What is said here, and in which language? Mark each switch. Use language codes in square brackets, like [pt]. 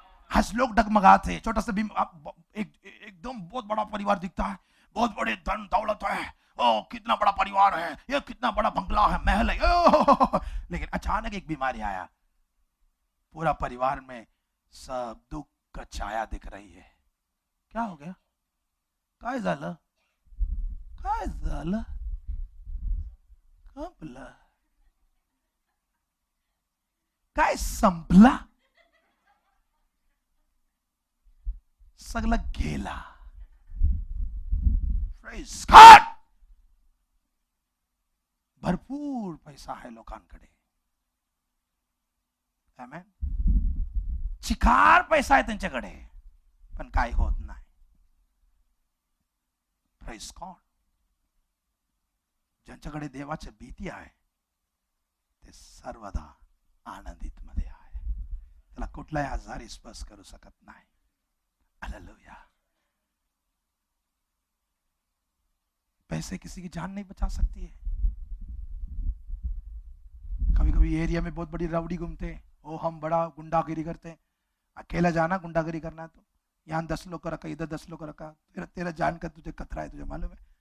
[hi] आज लोग डगमगाते, छोटा सा एकदम बहुत बड़ा परिवार दिखता है, बहुत बड़े धन दौलत है, ओ कितना बड़ा परिवार है, ये कितना बड़ा बंगला है, महल है, लेकिन अचानक एक बीमारी आया, पूरा परिवार में सब दुख का छाया दिख रही है। क्या हो गया, [mr] काय झालं, काय झालं, कंपला काय संपला, सगला गेला, [en] praise God, [hi] भरपूर पैसा है [mr] लोकांकडे, आमेन, चिकार पैसा है त्यांच्याकडे, पण काय होत नाही, प्रेज़ गॉड। ज्यांच्याकडे देवाची भीती आहे ते सर्वदा आनंदित मध्ये आहे, त्याला कुठलाही आजार स्पर्श करू शकत नाही। [hi] पैसे किसी की जान नहीं बचा सकती है। कभी कभी एरिया में बहुत बड़ी रवड़ी घूमते हैं, ओ हम बड़ा गुंडागिरी करते हैं, अकेला जाना गुंडागिरी करना है तो यहां 10 लोग का रखा, इधर 10 लोग का रखा, तेरा तेरा जान का तुझे खतरा है, तुझे मालूम है।